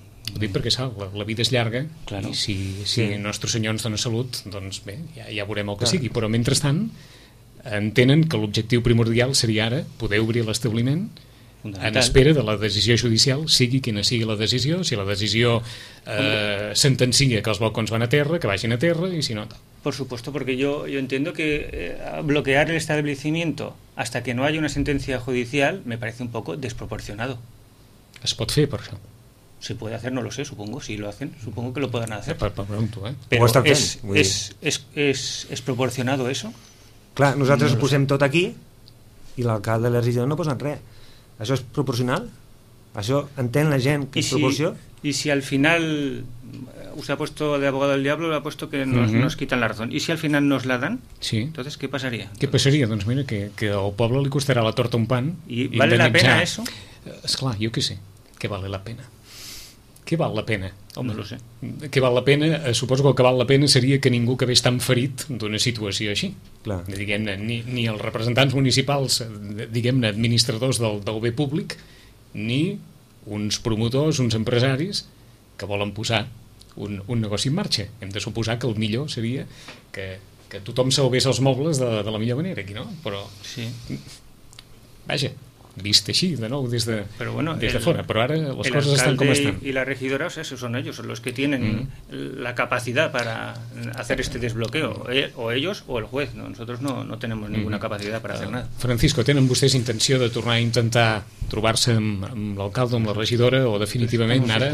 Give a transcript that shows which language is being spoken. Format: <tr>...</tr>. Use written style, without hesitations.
<ca>Ho dic perquè, sap, la vida és llarga, claro. I si el nostre senyor ens dona salut, doncs bé, ja veurem el que sigui. Però mentrestant, entenen que l'objectiu primordial seria ara poder obrir l'establiment en espera de la decisió judicial, sigui quina sigui la decisió, si la decisió sentencia que els balcons van a terra, que vagin a terra, i si no...</ca> <es>Por supuesto, porque yo entiendo que bloquear el establecimiento hasta que no haya una sentencia judicial me parece un poco desproporcionado.</es> <ca>¿Es pot fer,</ca> <es>por eso? Se puede hacer, no lo sé, supongo. Si lo hacen, supongo que lo puedan hacer. Pregunto, ¿eh? Pero ¿es proporcionado eso?</es> <ca>Clar, nosaltres no posem tot aquí i l'alcalde i la regidora no posen res. ¿Això és proporcional? ¿Això entén la gent que és proporció?</ca> <es>Y si al final... Usted ha puesto de abogado del diablo, le ha puesto que nos quitan la razón. ¿Y si al final nos la dan? Sí. Entonces, ¿qué pasaría? ¿Qué pasaría?</es> <ca>Doncs mira,</ca> <es>que al pueblo le costará la torta un pan. ¿Y vale la pena eso? Esclar, yo qué sé. ¿Qué vale la pena? ¿Qué vale la pena? Home, no lo sé. ¿Qué vale la pena?</es> <ca>Suposo que el que vale la pena seria que ningú quedés tan ferit d'una situació així. Clar. Diguem-ne, ni els representants municipals, diguem-ne, administradors del bé públic, ni uns promotors, uns empresaris que volen posar un negoci en marxa. Hem de suposar que el millor seria que tothom salvés els mobles de la millor manera, aquí, no? Però, sí. Vaja, vist així, de nou, des de fora. Però ara les coses estan com estan. I la regidora,</ca> <es>o sea, esos son ellos, son los que tienen la capacidad para hacer este desbloqueo. O ellos o el juez, ¿no? Nosotros no tenemos ninguna capacidad para hacer nada.</es> <ca>Francisco, tenen vostès intenció de tornar a intentar trobar-se amb l'alcalde, amb la regidora, o definitivament ara...</ca>